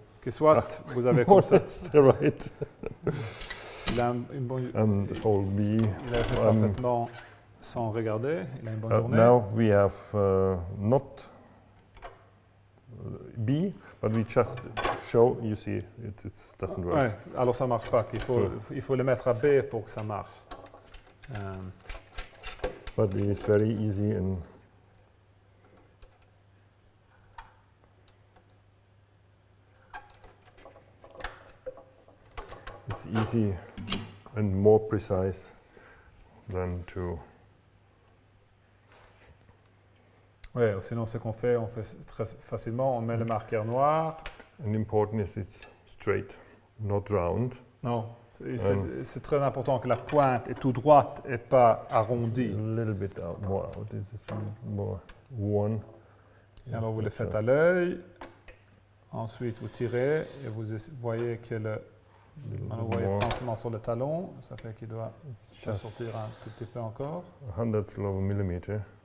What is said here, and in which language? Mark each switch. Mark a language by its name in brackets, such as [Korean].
[French] Que soit vous avez comme ça. [English] That's right. And hole B. [French] Il a fait parfaitement sans regarder. Il a une bonne journée. [English] Now we have not B, but we just show, you see, it doesn't work. [French] Ouais, alors ça ne marche pas, il faut le mettre à B pour que ça marche. [English] But it is very easy and it's easy and more precise than to. [French] Oui, sinon ce qu'on fait, on fait très facilement, on met le marqueur noir. [English] And important is it's straight, not round. [French] Non, c'est très important que la pointe est tout droite et pas arrondie. [English] A little bit out, more out, this is more one. [French] Et alors vous le faites à l'œil. Ensuite vous tirez et vous voyez que vous voyez principalement sur le talon, ça fait qu'il doit sortir un petit peu encore. [English] A hundredth of a millimeter.